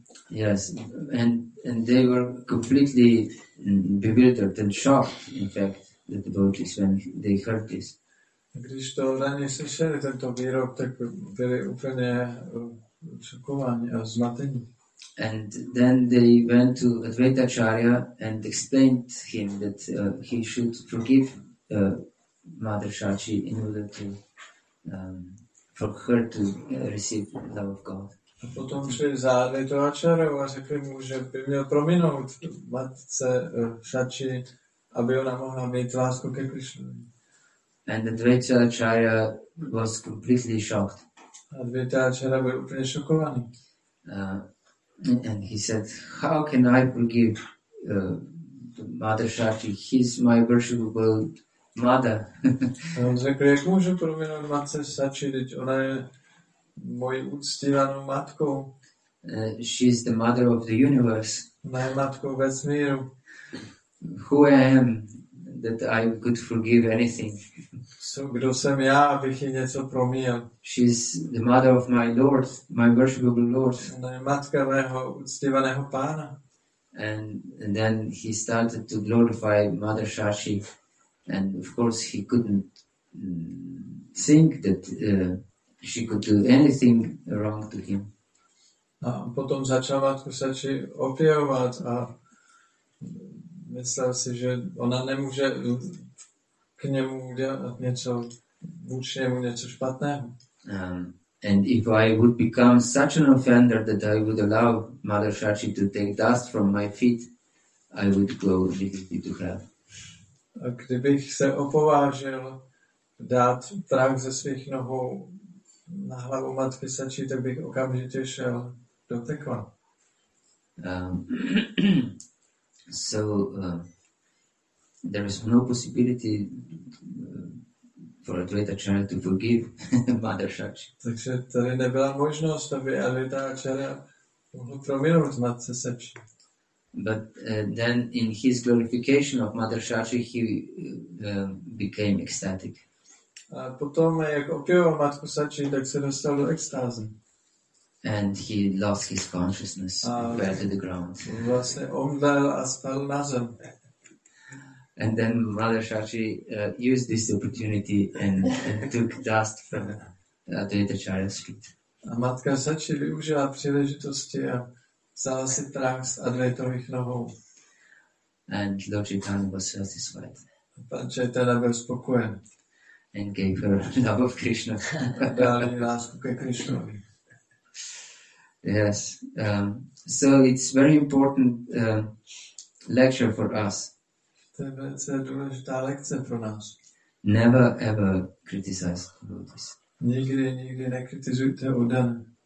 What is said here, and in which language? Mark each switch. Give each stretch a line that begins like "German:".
English: Yes, and they were completely bewildered and shocked, in fact, that the devotees, when they heard this.
Czech: Když to raně slyšeli, tento výrok, tak byli úplně šokováni a zmatení.
English: And then they went to Advaita Acharya and explained him that he should forgive Mother Shachi in order to for her to receive love of God.
Czech: A potom šli za Advaita Acharya a řekli mu, že by měl prominout matce Shachi, aby ona mohla mít lásku ke Krišnovi.
English: And Advaita Acharya was completely shocked.
Czech: Advaita Acharya byl úplně šokovaný.
English: And he said, how can I forgive Mother Shachi? He's my worshipable mother.
Czech: On řekl, jak můžu prominout matce Shachi, když ona je mojí úctívanou matkou.
English: She's the mother of the universe.
Czech: Ona je matkou vesmíru.
English: Who I am that I could forgive anything.
Czech: So, kdo jsem já, abych jí něco promíjel?
English: She's the mother of my Lord, my worshipable Lord.
Czech: Ona je matka mého uctívaného pána.
English: And then he started to glorify Mother Shachi. And of course he couldn't think that she could do anything wrong to him.
Czech: A potom začal Matku Shachi opěvovat a myslel si, že ona nemůže k němu udělat něco, vůči němu něco špatného.
English: And if I would become such an offender that I would allow Mother Shachi to take dust from my feet, I would go directly to her.
Czech: A kdybych se opovážil dát prach ze svých nohou na hlavu Matky Shachi, tak bych okamžitě šel do pekla.
English: So there is no possibility for Advaita Acharya to forgive Mother Shachi.
Czech: Takže tady nebyla možnost, aby Advaita Acharya mohl prominout matce Shachi.
English: But then in his glorification of Mother Shachi, he became ecstatic.
Czech: A potom, jak opěval matku Shachi, tak se dostal do extázy.
English: And he lost his consciousness and fell to the ground.
Czech: Vlastně omdlel a spal na zem.
English: And then Mother Shachi used this opportunity and took dust from Advaita Acharya's feet.
Czech: A Matka Shachi využila příležitosti a vzala si prach z Advaitových nohou.
English: And Lord Chaitanya was satisfied.
Czech: A Pan Chaitanya byl spokojen.
English: And gave her love of Krishna.
Czech: Dal jí lásku ke Krishnovi.
English: Yes, so it's very important lecture for us.
Czech: To je velice důležitá lekce pro nás.
English: Never ever criticize devotees.
Czech: Nikdy nekritizujte oddané.